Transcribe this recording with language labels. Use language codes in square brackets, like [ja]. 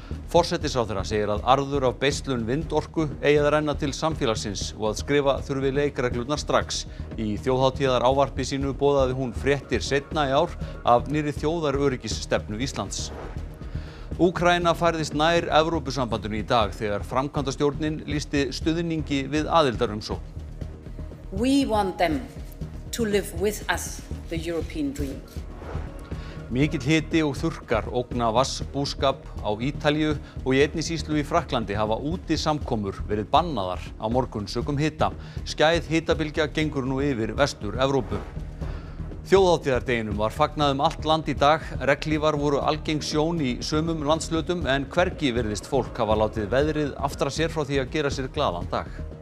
[is] Forsætisráðherra segir að arður af beislun vindorku eigi að renna til samfélagsins og að skrifa þurfi leikreglurnar strax. Í þjóðhátíðar ávarpi sínu boðaði hún fréttir seinna í ár af nýrri þjóðaröryggisstefnu Íslands. Úkraína færðist nær Evrópusambandinu í dag þegar framkvæmdastjórnin lýsti stuðningi við aðildarumsókn. [en] We want them to live with us, the European dream. [is] Mikill hiti og þurrkar ógna vatnsbúskap á Ítalíu og í einni sýslu í Frakklandi hafa útisamkomur verið bannaðar á morgun sökum hita. Skæð hitabylgja gengur nú yfir vestur Evrópu. Þjóðhátíðardeginum var fagnað allt land í dag, reglívar voru algeng sjón í sumum landshlutum en hvergi virðist fólk hafa látið veðrið aftra sér frá því að gera sér glaðan dag.